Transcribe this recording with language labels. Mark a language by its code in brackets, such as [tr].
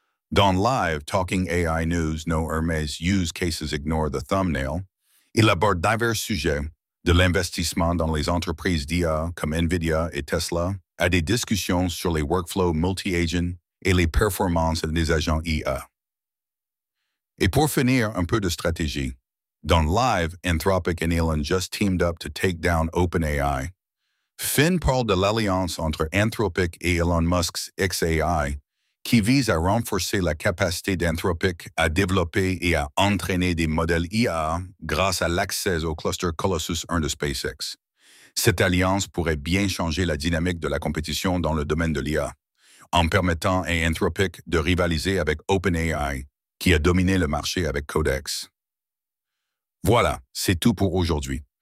[fr] Dans Live Talking AI News, No Hermes Use Cases Ignore the Thumbnail, il aborde divers sujets, de l'investissement dans les entreprises d'IA comme NVIDIA et Tesla, à des discussions sur les workflows multi-agent et les performances des agents IA. Et pour finir, un peu de stratégie. Dans [en] Live, Anthropic and Elon just teamed up to take down OpenAI. [fr] Finn parle de l'alliance entre Anthropic et Elon Musk's xAI, qui vise à renforcer la capacité d'Anthropic à développer et à entraîner des modèles IA grâce à l'accès au cluster Colossus 1 de SpaceX. Cette alliance pourrait bien changer la dynamique de la compétition dans le domaine de l'IA, en permettant à Anthropic de rivaliser avec OpenAI, qui a dominé le marché avec Codex. Voilà, c'est tout pour aujourd'hui.